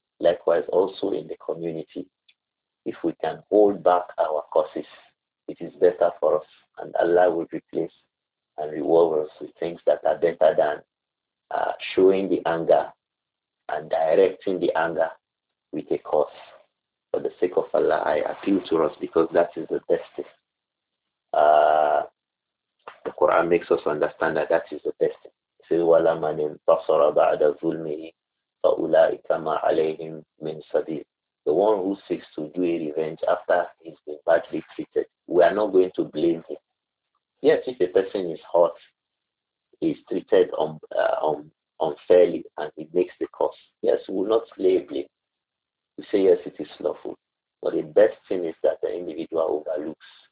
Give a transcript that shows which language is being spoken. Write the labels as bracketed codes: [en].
[en] Likewise, also in the community, if we can hold back our curses, it is better for us, and Allah will replace and reward us with things that are better than showing the anger and directing the anger with a curse. For the sake of Allah, I appeal to us because that is the best thing. The Quran makes us understand that that is the best thing. It says, [ar] وَلَا مَنِ انْتَصَرَ بَعْدَ ظُلْمِهِ فَأُولَٰئِكَ مَا عَلَيْهِمْ مِنْ سَبِيلٍ. [en] The one who seeks to do a revenge after he's been badly treated, we are not going to blame him. Yes, if a person is hurt, he's treated unfairly, and he makes the curse, yes, we will not lay blame. We say, yes, it is lawful. But the best thing is that the individual overlooks.